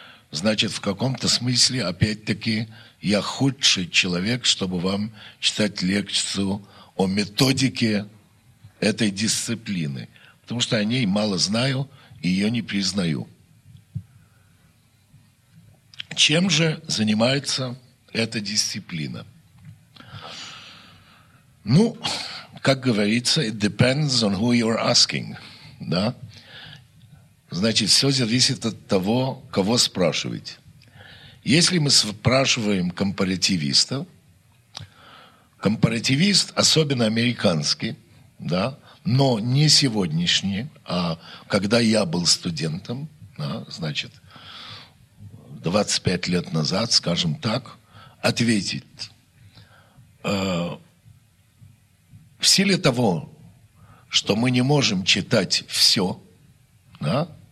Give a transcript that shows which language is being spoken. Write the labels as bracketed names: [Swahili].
[Russian] Значит, в каком-то смысле, опять-таки, я худший человек, чтобы вам читать лекцию о методике этой дисциплины. Потому что о ней мало знаю и ее не признаю. Чем же занимается эта дисциплина? Ну, как говорится, [English] it depends on who you're asking. [Russian] Да? Значит, все зависит от того, кого спрашивать. Если мы спрашиваем компаративистов, компаративист, особенно американский, да, но не сегодняшний, а когда я был студентом, да, значит, 25 лет назад, скажем так, ответит, в силе того, что мы не можем читать все, да,